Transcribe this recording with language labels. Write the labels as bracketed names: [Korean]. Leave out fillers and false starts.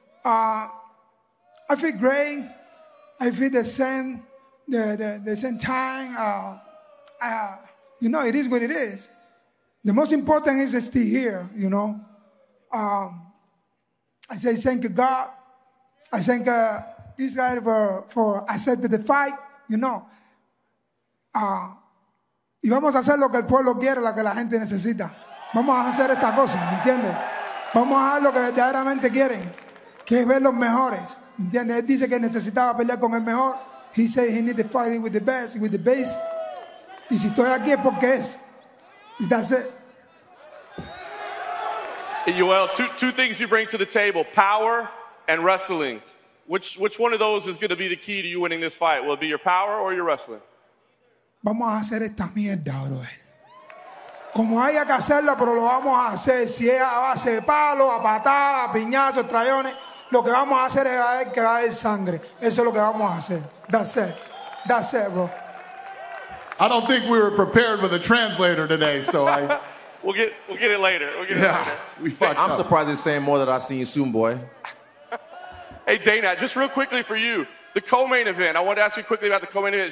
[English] I feel great. I feel the same time. You know, it is what it is. The most important is to stay here, you know. I say thank God. I thank Israel for accepting the fight, you know. [Spanish] Y vamos a hacer lo que el pueblo quiere, lo que la gente necesita. Vamos a hacer esta cosa, ¿me entiendes? Vamos a hacer lo que verdaderamente quieren, que es ver los mejores. ¿Entiendes? Él dice que necesitaba pelear con el mejor. [English] He said he needed to fight with the best, with the base. [Spanish] Y si estoy aquí es porque es. [English] That's it. Hey, Yoel, two things you bring to the table, power and wrestling. Which one of those is going to be the key to you winning this fight? Will it be your power or your wrestling? [Spanish] Vamos a hacer esta mierda, bro. Como haya que hacerla, pero lo vamos a hacer. Si es a base de palo, a patadas, a piñazos, trayones, lo que vamos a hacer es que va a haber sangre. Eso es lo que vamos a hacer. [English] That's it. That's it, bro. I don't think we were prepared with a translator today, so I... we'll get it later. We'll get it later. I'm surprised they're saying more than I've seen you soon, boy. Hey, Dana, just real quickly for you, the co-main event. I want to ask you quickly about the co-main event.